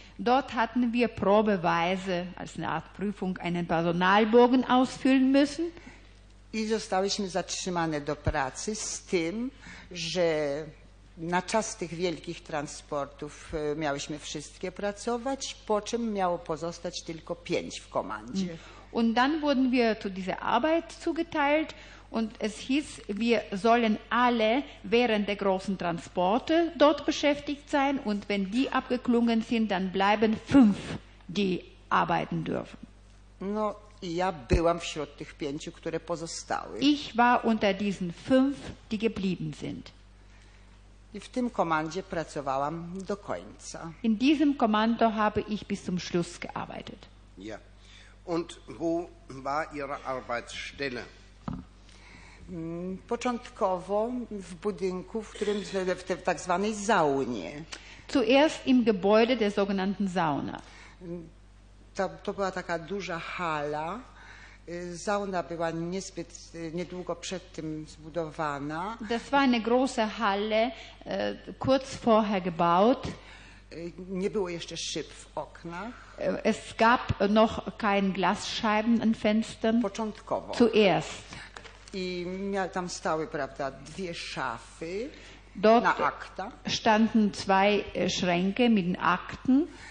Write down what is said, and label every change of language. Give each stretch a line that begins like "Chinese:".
German: Dort hatten wir probeweise, als eine Art Prüfung, einen Personalbogen ausfüllen müssen.
Polish: I zostałyśmy zatrzymane do pracy z tym, że na czas tych wielkich transportów miałyśmy wszystkie pracować, po czym miało pozostać tylko 5 w komandzie.
German: Und dann wurden wir zu dieser Arbeit zugeteilt und es hieß, wir sollen alle während der großen Transporte dort beschäftigt sein und wenn die abgeklungen sind, dann bleiben 5, die arbeiten dürfen.
Polish: No, ja byłam wśród tych 5, które pozostały.
German: Ich war unter diesen 5, die geblieben sind.
Polish: I w tym komandzie pracowałam do końca.
German: In diesem Kommando habe ich bis zum Schluss gearbeitet. Ja. Und wo war Ihre Arbeitsstelle?
Polish: Początkowo w budynku, w którym w tak zwanej saunie.
German: Zuerst im Gebäude der sogenannten Sauna.
Polish: To była taka duża hala. Sauna była niezbyt niedługo przed tym zbudowana.
German: Das war eine große Halle, kurz vorher gebaut.
Polish: Nie było jeszcze szyb w oknach.
German: Es gab noch kein Glasscheiben an Fenstern.
Polish: Początkowo.
German: Zuerst.
Polish: I miał tam stały, prawda, 2 szafy.
German: Dort
Polish: na akta.
German: Standen 2 Schränke mit den Akten.